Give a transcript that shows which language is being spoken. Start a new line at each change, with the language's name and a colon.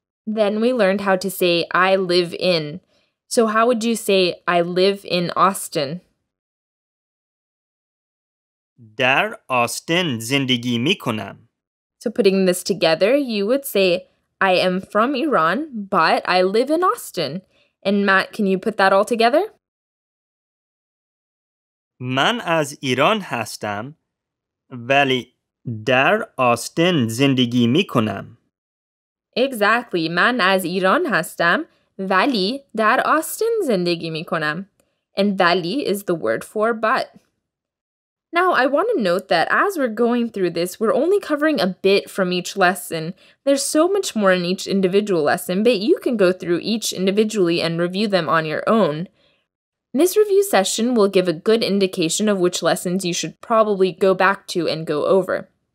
English: Then we learned how to say I live in. So how would you say I live in Austin?
Persian: در آستین زندگی می کنم.
English: So putting this together, you would say I am from Iran, but I live in Austin. And Matt, can you put that all together?
Persian: من از ایران هستم ولی در آستین زندگی می کنم.
English: Exactly.
Persian: من از ایران هستم ولی در آستین زندگی می کنم.
English: And ولی is the word for but. Now, I want to note that as we're going through this, we're only covering a bit from each lesson. There's so much more in each individual lesson, but you can go through each individually and review them on your own. This review session will give a good indication of which lessons you should probably go back to and go over.